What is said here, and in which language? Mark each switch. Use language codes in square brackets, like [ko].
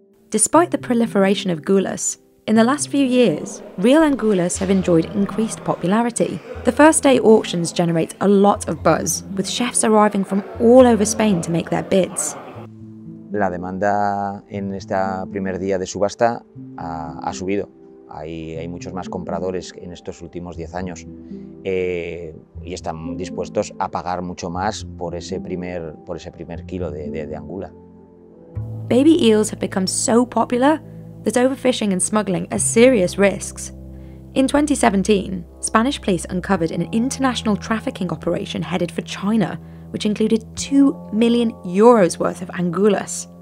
[en] Despite the proliferation of gulas, in the last few years, real angulas have enjoyed increased popularity. The first day auctions generate a lot of buzz, with chefs arriving from all over Spain to make their bids. [es] La demanda en este primer día de subasta ha subido. Hay muchos más compradores en estos últimos 10 años y están dispuestos a pagar mucho más por ese primer kilo de angula. [en] Baby eels have become so popular that overfishing and smuggling are serious risks. In 2017, Spanish police uncovered an international trafficking operation headed for China, which included 2 million euros worth of angulas.